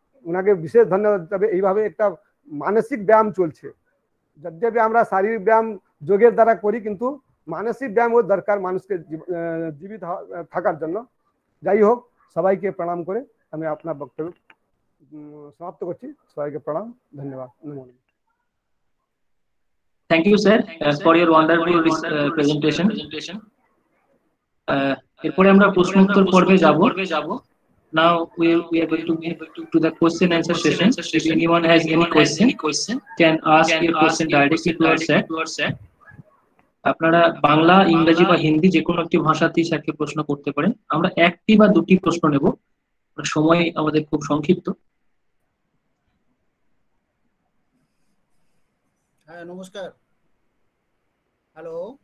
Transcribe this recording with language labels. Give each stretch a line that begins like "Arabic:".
Bangla: উনাকে বিশেষ ধন্যবাদ দিতে হবে এইভাবে একটা মানসিক ব্যায়াম চলছে যদ্যপি আমরা শারীরিক ব্যায়াম যোগের দ্বারা করি কিন্তু মানসিক ব্যায়ামও দরকার মানুষকে জীবিত থাকার জন্য যাই হোক সবাইকে প্রণাম করে আমি আপনার বক্তব্য সমাপ্ত করছি সবাইকে প্রণাম ধন্যবাদ নমস্কার
English: thank you sir for your wonderful presentation
Bangla: এরপরে আমরা প্রশ্ন উত্তর পর্বে যাব
English: Now we are going to move to the question answer session. If anyone has any question, can ask your question directly to our sir.
Bangla: আপনারা বাংলা ইংরেজি বা হিন্দি যে কোনো একটি ভাষাতেই স্যারকে প্রশ্ন করতে পারেন আমরা একটি বা দুটি প্রশ্ন নেব সময় আমাদের খুব সংক্ষিপ্ত হ্যাঁ নমস্কার হ্যালো